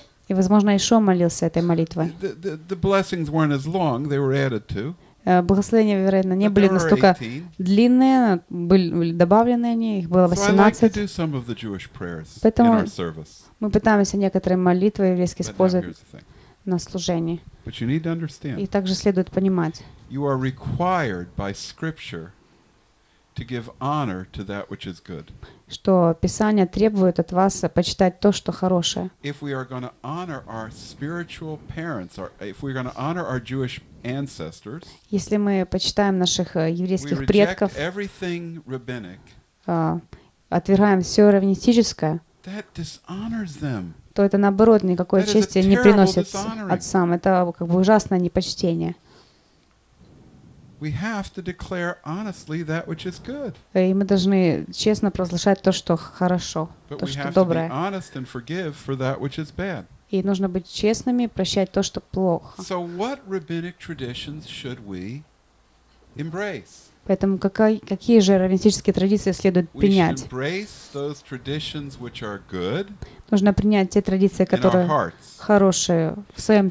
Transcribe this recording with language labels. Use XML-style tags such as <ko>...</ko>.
<ru>И, возможно, Ишуа молился этой молитвой.</ru> <en>The blessings weren't as long, they were added to.</en> <ru>Благословения, вероятно, не были настолько длинные, были добавлены они, их было 18. Поэтому мы пытаемся некоторые молитвы еврейские использовать на служении.</ru> <en>But you need to understand.</en> <ru>И также следует понимать.</ru> <en>You are required by scripture to give honor to that which is good.</en> <ru>Что Писание требует от вас почитать то, что хорошее.</ru> <en>If we are going to honor our spiritual parents, or if we're going to honor our Jewish ancestors,</en> <ru>если мы почитаем наших еврейских предков,</ru> <en>everything rabbinic,</en> <ru>отвергаем все раввинистическое,</ru> <en>that dishonors them.</en> <ru>То это, наоборот, никакой чести не приносит отцам. Это как бы ужасное непочтение.</ru> <en>We have to declare honestly that which is good.</en> <ru>И мы должны честно провозглашать то, что хорошо, то, что доброе.</ru> <en>But we have to be honest and forgive for that which is bad.</en> <ru>И нужно быть честными и прощать то, что плохо.</ru> <en>So what rabbinic traditions should we embrace?</en> <ru>Поэтому какие же раввинистические традиции следует принять?</ru> <en>We should embrace those traditions which are good.</en> <ru>Нужно принять те традиции, которые хорошие в своем</ru>